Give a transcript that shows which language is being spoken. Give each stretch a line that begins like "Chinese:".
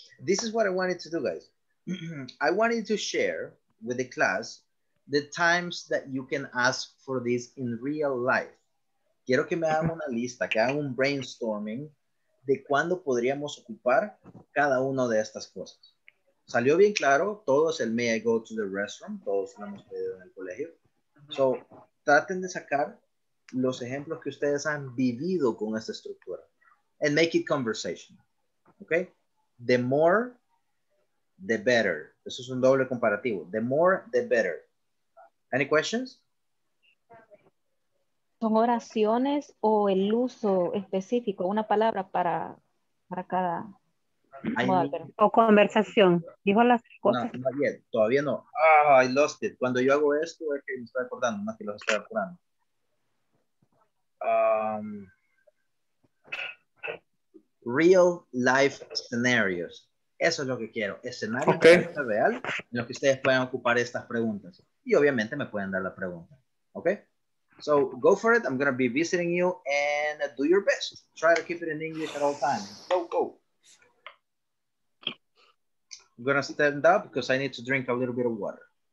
English: This is what I wanted to do, guys. I wanted to share with the class the times that you can ask for this in real life.
Spanish: Quiero que me hagan una lista, que hagan un brainstorming de cuándo podríamos ocupar cada uno de estas cosas. Salió bien claro, todos el
English: may I go to the restroom,
Spanish: todos lo hemos pedido en el colegio. So, traten de sacar los ejemplos que ustedes han vivido con esta estructura.
English: And make it conversational. Okay? The more, the better.
Spanish: Eso es un doble comparativo.
English: The more, the better. Any questions?
Spanish: ¿Son oraciones o el uso específico? Una palabra para cada o conversación. Dijo las cosas. No, bien. Todavía no. Ah, oh,
English: I lost it.
Spanish: Cuando yo hago esto es que me estoy acordando, más que los estoy acordando.
English: Real life scenarios.
Spanish: Eso es lo que quiero. Escenarios de la vida real en los que ustedes puedan ocupar estas preguntas. Y obviamente me pueden dar la pregunta. ¿Ok?
English: So go for it. I'm going to be visiting you and do your best. Try to keep it in English at all times. Go, go. I'm going to stand up because I need to drink a little bit of water.